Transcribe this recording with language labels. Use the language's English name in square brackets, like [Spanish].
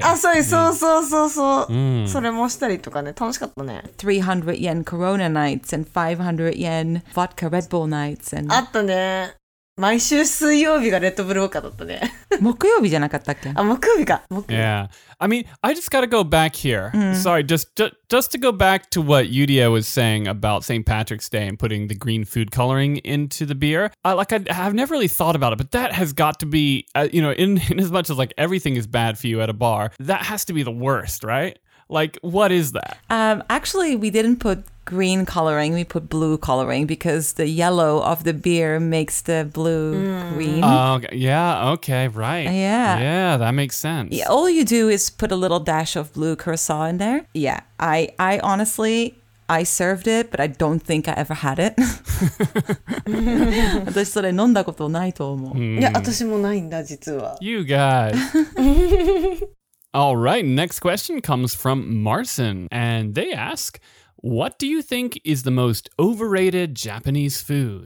[Japanese] イ、あ、そう、そうそうそうそう、それもしたりとかね、楽しかったね。 [English] 300 yen Corona nights and 500 yen vodka Red Bull nights and、 [Japanese] あったね。毎週水曜日がレッドブルウォーカーだったね。木曜日じゃなかったっけ？あ、木曜日か。 [English] Yeah, I mean, I just gotta go back here. Sorry, just to go back to what Yudia was saying about St. Patrick's Day and putting the green food coloring into the beer. I've never really thought about it, but that has got to be, you know, in as much as like everything is bad for you at a bar, that has to be the worst, right? Like, what is that? Actually, we didn't put green coloring. We put blue coloring because the yellow of the beer makes the blue green. Yeah, that makes sense. Yeah, all you do is put a little dash of blue curacao in there. Yeah, I honestly, I served it, but I don't think I ever had it. [Japanese] 私それ飲んだことないと思う。いや、私もないんだ、実は。 [English] You guys. All right, next question comes from Marcin, and they ask, what do you think is the most overrated Japanese food?